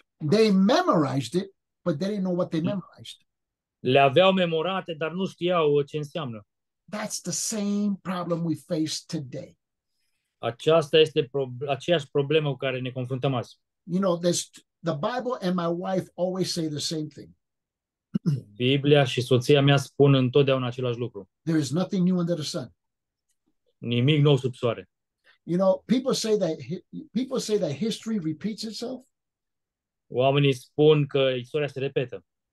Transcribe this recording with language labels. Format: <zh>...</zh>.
<en>They memorized it, but they didn't know what they memorized.</en> <ro>Le aveau memorate, dar nu știau ce înseamnă.</ro> <en>That's the same problem we face today.</en> <ro>Aceasta este aceeași problemă cu care ne confruntăm azi.</ro> <en>You know, the Bible and my wife always say the same thing.</en> <ro>Biblia și soția mea spun întotdeauna același lucru.</ro> <en>There is nothing new under the sun.</en> <ro>Nimic nou sub soare.</ro> <en>You know, people say that history repeats itself.</en> <ro>Oamenii spun că istoria se repetă.</ro>